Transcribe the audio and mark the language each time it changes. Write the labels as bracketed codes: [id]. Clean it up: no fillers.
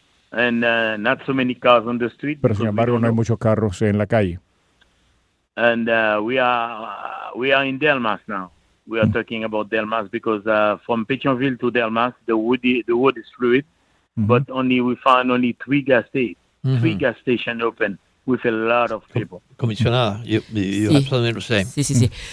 [en] And not so many cars on the street. [es] Pero sin embargo no hay muchos carros en la calle. [en] And we are in Delmas now. We are talking about Delmas because from Pétionville to Delmas, the wood is fluid, but we found only three gas stations, three gas stations open with a lot of people. Comisionada, you have something to say.